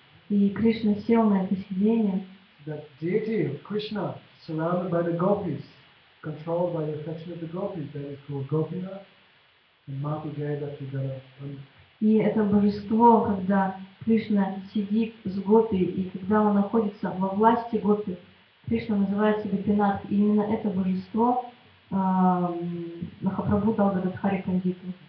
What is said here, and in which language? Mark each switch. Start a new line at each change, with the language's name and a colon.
Russian: И Кришна сел на это сидение.
English: That deity of Krishna, surrounded by the gopis, controlled by the affection of the gopis, that is called Gopina, and Mahaprabhu gave that to Gaurav.
Russian: И это божество, когда Кришна сидит с гопи, и когда он находится во власти гопи, Кришна называется Гопинат. И именно это божество Махапрабху дал Гададхаре Пандиту.